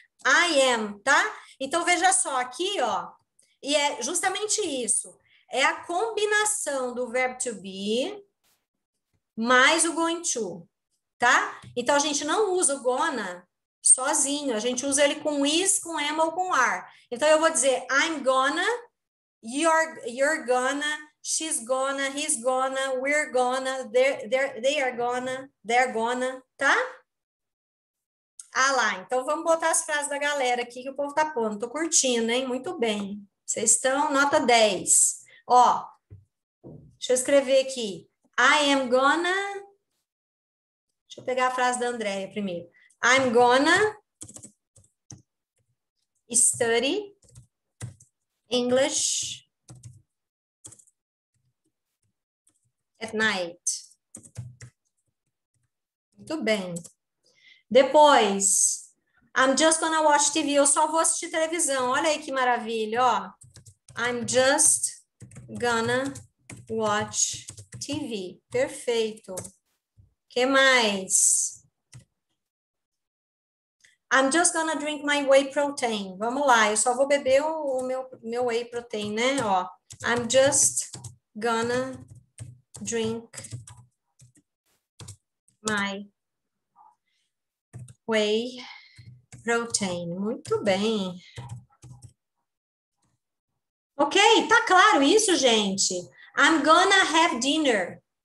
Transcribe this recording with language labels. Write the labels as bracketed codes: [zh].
[en] I am, [pt] tá? Então veja só aqui, ó. E é justamente isso. É a combinação do verbo to be mais o going to, tá? Então a gente não usa o gonna sozinho, a gente usa ele com is, com am ou com are. Então eu vou dizer [en] I'm gonna, you're gonna, she's gonna, he's gonna, we're gonna, they are gonna, they're gonna, [pt] tá? Ah lá, então vamos botar as frases da galera aqui que o povo tá pondo. Tô curtindo, hein? Muito bem. Vocês estão, nota 10. Ó, deixa eu escrever aqui. [en] I am gonna. [pt] Deixa eu pegar a frase da Andrea primeiro. [en] I'm gonna study English at night. [pt] Muito bem. Depois, [en] I'm just gonna watch TV. [pt] Eu só vou assistir televisão. Olha aí que maravilha, ó. [en] I'm just gonna watch TV. [pt] Perfeito. Que mais? [en] I'm just gonna drink my whey protein. [pt] Vamos lá, eu só vou beber o meu whey protein, né? [en] Ó, I'm just gonna drink my whey protein. [pt] Muito bem. Ok, tá claro isso, gente? [en] I'm gonna have dinner.